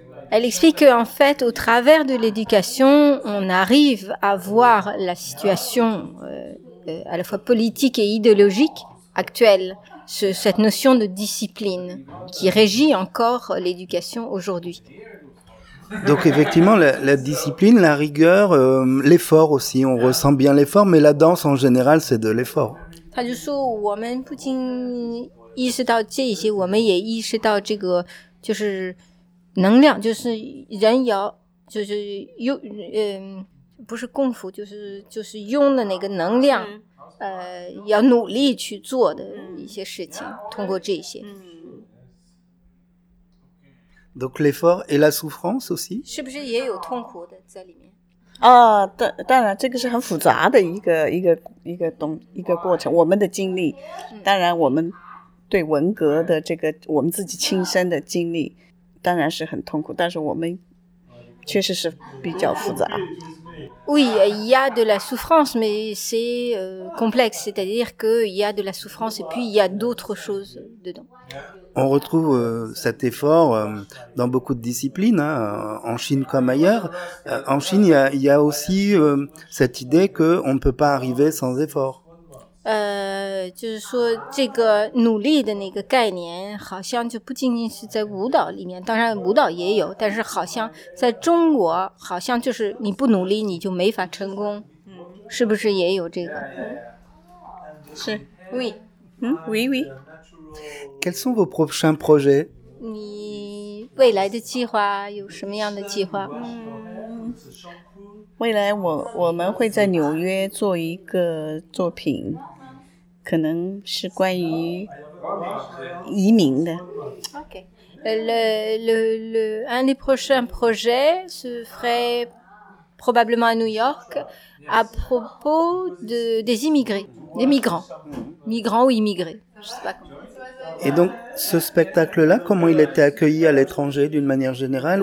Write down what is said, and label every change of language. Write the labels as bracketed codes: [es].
[fr] Elle explique qu'en fait, au travers de l'éducation, on arrive à voir la situation à la fois politique et idéologique actuelle, cette notion de discipline qui régit encore l'éducation aujourd'hui. Donc effectivement, la discipline, la rigueur, l'effort aussi, on ressent bien l'effort, mais la danse en général, c'est de l'effort. [zh] 他就说我们不仅意识到这些，我们也意识到这个就是能量，就是人要就是用不是功夫，就是用的那个能量，要努力去做的一些事情，通过这些。 [fr] Donc l'effort et la souffrance aussi. [zh] 是不是也有痛苦的在里面？啊，当然，这个是很复杂的一个过程。我们的经历，当然我们对文革的这个我们自己亲身的经历，当然是很痛苦。但是我们确实是比较复杂。 [fr] Oui, il y a de la souffrance, mais c'est complexe. C'est-à-dire qu'il y a de la souffrance et puis il y a d'autres choses dedans. On retrouve cet effort dans beaucoup de disciplines, hein, en Chine comme ailleurs. En Chine, il y a aussi cette idée qu'on ne peut pas arriver sans effort. [zh] 就是说这个努力的那个概念好像就不仅仅是在舞蹈里面当然舞蹈也有但是好像在中国好像就是你不努力你就没法成功是不是也有这个是 [fr] Oui Oui, oui Quels sont vos prochains projets [zh] 你未来的计划，有什么样的计划？嗯，未来我们会在纽约做一个作品，可能是关于移民的。 [fr] OK, un des prochains projets se ferait probablement à New York à propos des immigrés, des migrants, migrants ou immigrés, je sais pas comment. Et donc, ce spectacle-là, comment il était accueilli à l'étranger d'une manière générale?